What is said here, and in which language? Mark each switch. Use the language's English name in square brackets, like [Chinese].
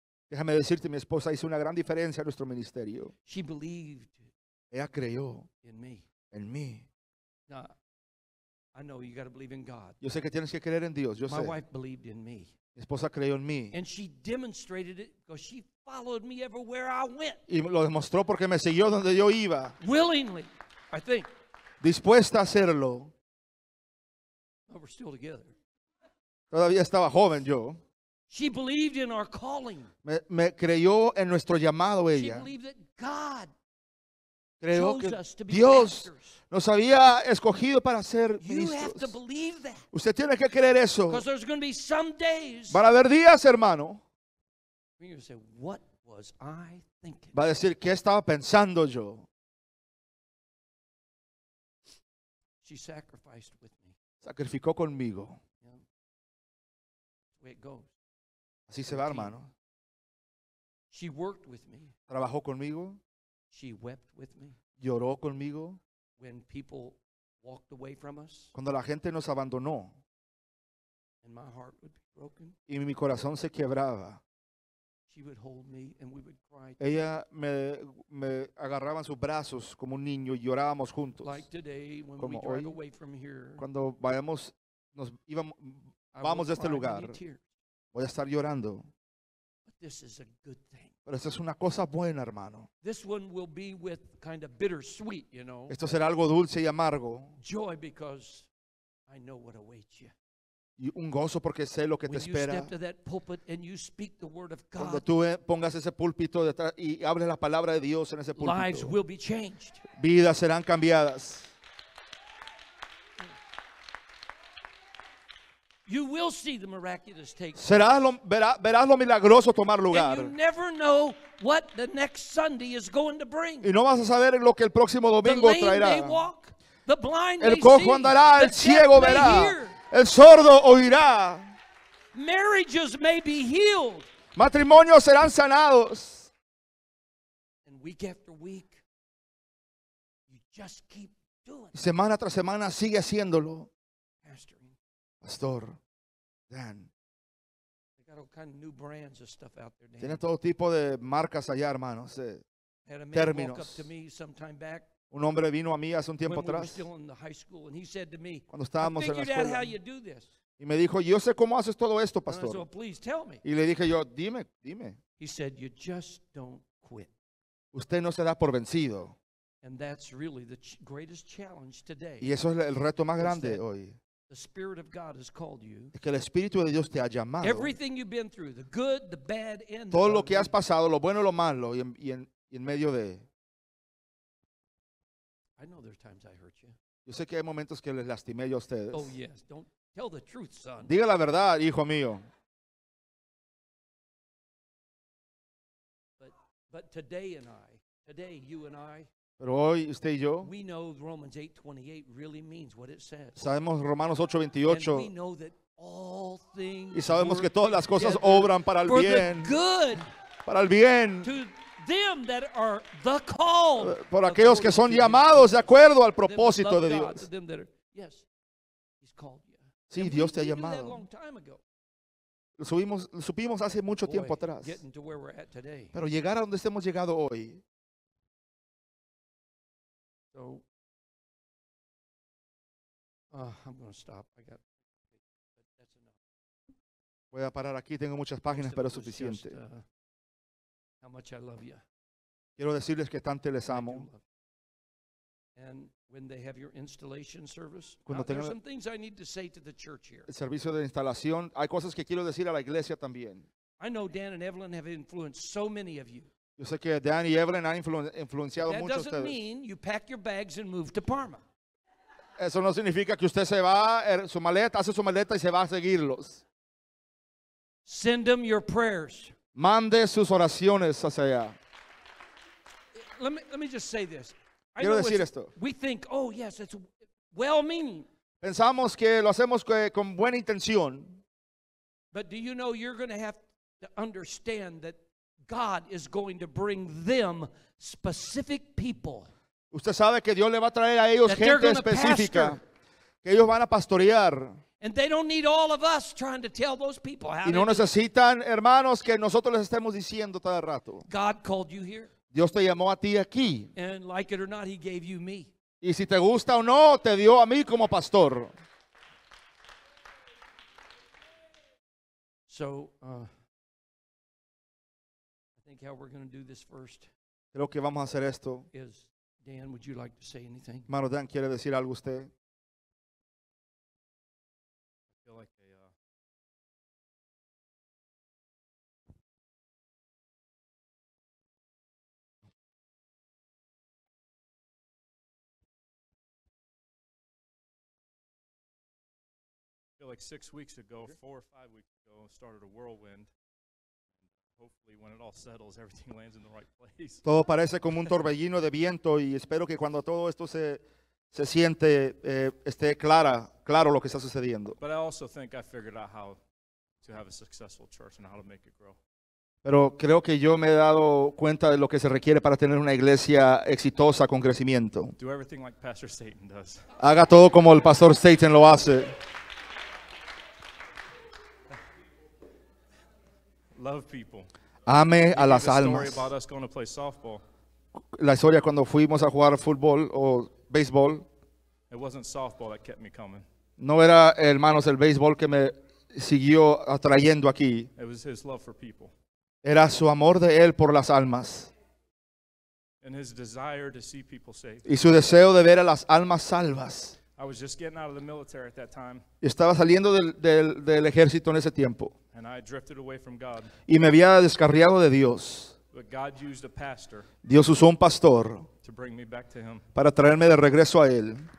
[Spanish] Déjame decirte, mi esposa hizo una gran diferencia en nuestro ministerio. [English] She believed. [Spanish] Ella creyó [English] in me. [Spanish] En mí. [English] Now, I know you gotta believe in God. [Spanish] Yo sé que tienes que creer en Dios. Yo [English] my [Spanish] sé. [English] Wife believed in me. [Spanish] Mi esposa creyó en mí. [English] And she demonstrated it because she followed me everywhere I went. [Spanish] Y lo demostró porque me siguió donde yo iba. [English] Willingly. I think. [Spanish] Dispuesta a hacerlo. [English] But we're still together. [Spanish] Todavía estaba joven yo. [English] She believed in our calling. [Spanish] Me creyó en nuestro llamado ella. [English] She believed that God [Spanish] creyó [English] chose [Spanish] que [English] us to be [Spanish] Dios [English] pastors. [Spanish] Nos había escogido para ser ministros. [English] You have to believe that. [Spanish] Usted tiene que creer eso. [English] Because there's going to be some days. [Spanish] Van a haber días, hermano. [English] You're going to say, what was I thinking? [Spanish] Va a decir, ¿qué estaba pensando yo? [English] She sacrificed with me. [Spanish] Sacrificó conmigo. [English] Yeah. Way it goes. [Spanish] Así se va, hermano. [English] She worked with me. [Spanish] Trabajó conmigo. [English] She wept with me. [Spanish] Lloró conmigo. [English] When people walked away from us. [Spanish] Cuando la gente nos abandonó. [English] And my heart would be broken. [Spanish] Y mi corazón se quebraba. [English] She would hold me and we would cry. [Spanish] Ella me agarraba en sus brazos como un niño y llorábamos juntos. [English] Like today when [Spanish] como [English] we drive [Spanish] hoy, [English] away from here. [Spanish] Cuando vayamos, nos íbamos, vamos de este lugar. Voy a estar llorando. [English] But this is a good thing. [Spanish] Pero esto es una cosa buena, hermano. [English] This one will be with kind of bittersweet, you know. [Spanish] Esto será algo dulce y amargo. [English] Joy because I know what awaits you. [Spanish] Y un gozo porque sé lo que [English] when [Spanish] te espera. [English] You step to that pulpit and you speak the word of God, [Spanish] cuando tú pongas ese púlpito detrás y hables la palabra de Dios en ese púlpito, [English] lives will be changed. [Spanish] Vidas serán cambiadas. [English] You will see the miraculous take place. [Spanish] Verás lo milagroso tomar lugar. [English] And you never know what the next Sunday is going to bring. [Spanish] Y no vas a saber lo que el próximo domingo traerá. [English] The lame may walk, the blind [Spanish] el cojo andará, el ciego verá, el sordo oirá. [English] Marriages may be healed. [Spanish] Matrimonios serán sanados. [English] And week after week, you just keep doing it. [Spanish] Semana tras semana sigue haciéndolo. [English] Pastor Dan. They got all kind of new brands of stuff out there, Dan. [Spanish] Tiene todo tipo de marcas allá, hermanos. Términos. Un hombre vino a mí hace un tiempo atrás. Cuando estábamos en la escuela. [English] How you do this. [Spanish] Y me dijo, yo sé cómo haces todo esto, pastor. [English] Said, well, please tell me. [Spanish] Y le dije yo, dime. [English] He said, you just don't quit. [Spanish] Usted no se da por vencido. [English] And that's really the greatest challenge today. [Spanish] Y eso es el reto más grande hoy. [English] The Spirit of God has called you. [Spanish] Es que el Espíritu de Dios te ha llamado. [English] Everything you've been through, the good, the bad, and [Spanish] todo lo que has pasado, lo bueno, lo malo, y en medio de. [English] I know there's times I hurt you. [Spanish] Yo sé que hay momentos que les lastimé yo a ustedes. [English] Oh yes, don't tell the truth, son. [Spanish] Diga la verdad, hijo mío. [English] But today you and I. [Spanish] Pero hoy usted y yo, [English] we know Romans 8:28 really means what it says. [Spanish] Sabemos Romanos 8:28. [English] And we know that all things. [Spanish] Y sabemos que todas las cosas obran para el bien. Para el bien. [English] To them that are the called. [Spanish] Por aquellos que son llamados de acuerdo al propósito de Dios. [English] Yes, he's called you. [Spanish] Sí, Dios te ha llamado. Lo supimos hace mucho tiempo atrás. [English] Getting to where we're at today. [Spanish] Pero llegar a donde estemos llegado hoy. [English] I'm going to stop. I got. That's enough. [Spanish] Voy a parar aquí. Tengo muchas páginas, pero es suficiente. [English] How much I love you. [Spanish] Quiero decirles que tanto les amo. [English] And when they have your installation service, there's some things I need to say to the church here. [Spanish] El servicio de instalación. Hay cosas que quiero decir a la iglesia también. [English] I know Dan and Evelyn have influenced so many of you. [Spanish] Yo sé que Dan y Evelyn han influenciado mucho a ustedes. [English] That doesn't mean you pack your bags and move to Parma. [Spanish] Eso no significa que usted se va, su maleta, hace su maleta y se va a seguirlos. [English] Send them your prayers. [Spanish] Mande sus oraciones hacia allá. [English] Let me just say this. [Spanish] Quiero decir esto. [English] We think, oh yes, it's well-meaning. [Spanish] Pensamos que lo hacemos con buena intención. [English] But do you know you're going to have to understand that God is going to bring them specific people. [Spanish] Usted sabe que Dios le va a traer a ellos gente específica. Que ellos van a pastorear. [English] And they don't need all of us trying to tell those people how to do it. [Spanish] Y no necesitan, hermanos, que nosotros les estemos diciendo todo el rato. [English] God called you here. [Spanish] Dios te llamó a ti aquí. [English] And like it or not, he gave you me. [Spanish] Y si te gusta o no, te dio a mí como pastor. [English] So, how we're going to do this first. [Spanish] Creo que vamos a hacer esto. [English] Is Dan, would you like to say anything? [Spanish] Mano Dan, ¿quiere decir algo usted? [English] I feel like I feel like 6 weeks ago, 4 or 5 weeks ago, started a whirlwind. Hopefully when it all settles, everything lands in the right place. [Spanish] Todo parece como un torbellino de viento y espero que cuando todo esto se siente esté claro lo que está sucediendo. [English] But I also think I figured out how to have a successful church and how to make it grow. [Spanish] Pero creo que yo me he dado cuenta de lo que se requiere para tener una iglesia exitosa con crecimiento. [English] Do everything like Pastor Satan does. [Spanish] Haga todo como el Pastor Satan lo hace. [English] Love people. [Spanish] Ame a las almas. [English] Story about us going to play softball. [Spanish] La historia cuando fuimos a jugar fútbol o béisbol. [English] It wasn't softball that kept me coming. [Spanish] No era, hermanos, el béisbol que me siguió atrayendo aquí. [English] It was his love for people. [Spanish] Era su amor de él por las almas. [English] And his desire to see people saved. [Spanish] Y su deseo de ver a las almas salvas. [English] I was just getting out of the military at that time. [Spanish] Estaba saliendo del ejército en ese tiempo. [English] And I drifted away from God. [Spanish] Y me había descarriado de Dios. [English] But God used a pastor. [Spanish] Dios usó un pastor. [English] To bring me back to him. [Spanish] Para traerme de regreso a él.